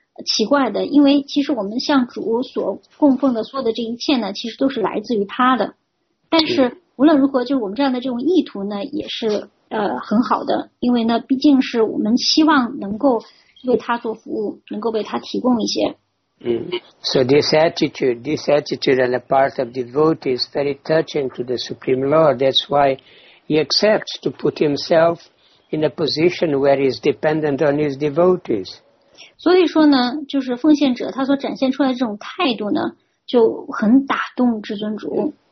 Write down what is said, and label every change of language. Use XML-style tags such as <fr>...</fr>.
<zh>奇怪的，因为其实我们向主所供奉的所有的这一切呢，其实都是来自于他的。但是无论如何，就是我们这样的这种意图呢，也是很好的，因为呢，毕竟是我们希望能够为他做服务，能够为他提供一些。</zh> <en>So this attitude on the part of devotee is very touching to the Supreme Lord. That's why he accepts to put himself in a position where he is dependent on his devotees.</en> <zh>所以说呢，就是奉献者他所展现出来的这种态度呢，就很打动至尊主。</zh>